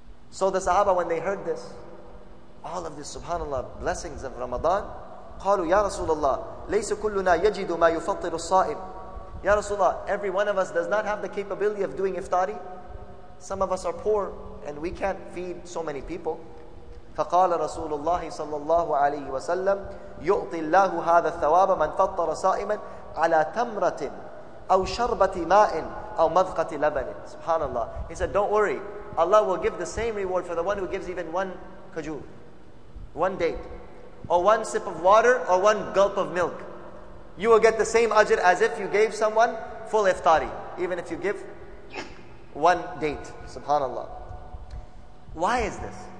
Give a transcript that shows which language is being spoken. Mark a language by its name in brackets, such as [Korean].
[English] So the sahaba, when they heard this, all of this subhanallah blessings of Ramadan, [Arabic] قالوا يا رسول الله ليس كلنا يجد ما يفطر الصائم. [English] Ya Rasulullah, every one of us does not have the capability of doing iftari. Some of us are poor and we can't feed so many people. [Arabic] فقال رسول الله صلى الله عليه وسلم يعطي الله هذا الثواب من فطر صائما على تمرة أو شربة ماء أو مذقة لبن. Subhanallah. [English] He said, don't worry, Allah will give the same reward for the one who gives even one kajur, one date, or one sip of water, or one gulp of milk. You will get the same ajr as if you gave someone full iftari, even if you give one date. Subhanallah. Why is this?